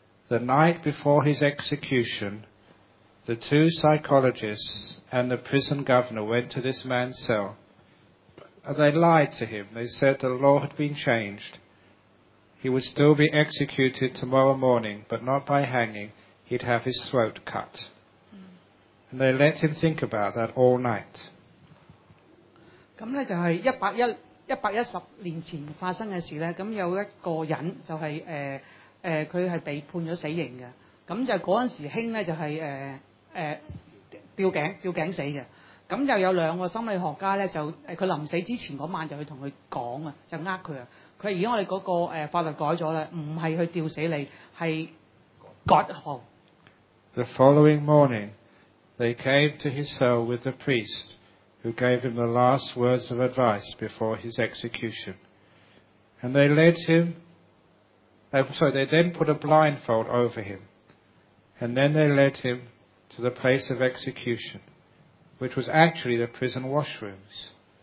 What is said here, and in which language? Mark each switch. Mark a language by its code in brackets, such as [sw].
[en] The night before his execution, the two psychologists and the prison governor went to this man's cell. They lied to him. They said the law had been changed. He would still be executed tomorrow morning, but not by hanging. He'd have his throat cut. And they let him think about that all night. [yue] 咁咧就係110年前發生嘅事咧。咁有一個人就係佢係被判咗死刑嘅。咁就嗰陣時興咧就係吊頸死嘅。咁就有兩個心理學家咧就佢臨死之前嗰晚就去同佢講啊，就呃佢啊。佢而家我哋嗰個法律改咗啦，唔係去吊死你，係割喉。 [en] The following morning, they came to his cell with the priest, who gave him the last words of advice before his execution. And they led him. They then put a blindfold over him, and then they led him to the place of execution, which was actually the prison washrooms.